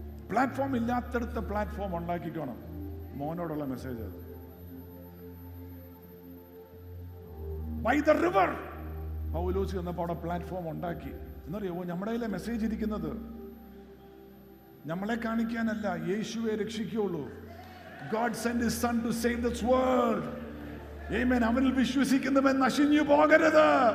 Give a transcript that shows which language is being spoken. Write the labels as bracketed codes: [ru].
[ml] Platform ഇല്ലാത്തടുത്ത platform ഉണ്ടാക്കിക്കോണം. മോനോടുള്ള message. [en] By the river, [ml] പൗലോസ് എന്നപ്പോൾ അവിടെ platform ഉണ്ടാക്കി. എന്നറിയാമോ, നമ്മുടെയിലെ മെസ്സേജ് ഇരിക്കുന്നത് നമ്മളെ കാണിക്കാനല്ല, യേശുവേ രക്ഷിക്കുള്ളൂ. [en] God sent his son to save this world. Amen. [ml] അവനിൽ വിശ്വസിക്കുന്നവൻ നശിഞ്ഞു പോകരുത്.